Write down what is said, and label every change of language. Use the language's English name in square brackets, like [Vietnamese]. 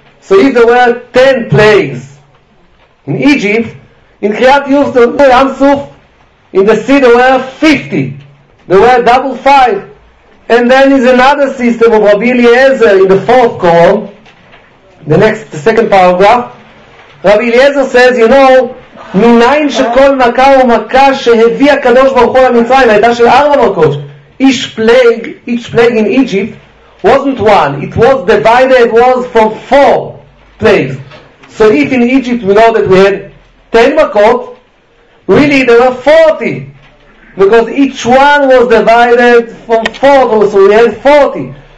[English] So if there were 10 plagues in Egypt, in Kriyat Yam Suf, in the sea there were 50. There were double 5. And then is another system of Rabbi Eliezer in the fourth column, the second paragraph. Rabbi Eliezer says, you know, [Hebrew] מניין שכל מכה ומכה שהביא הקדוש ברוך הוא למצרים הייתה של ארבע מכות. [English] Each plague in Egypt wasn't one. It was divided, it was from four plagues. So if in Egypt we know that we had 10 מכות, really there were 40. Because each one was divided from four, so we had 40.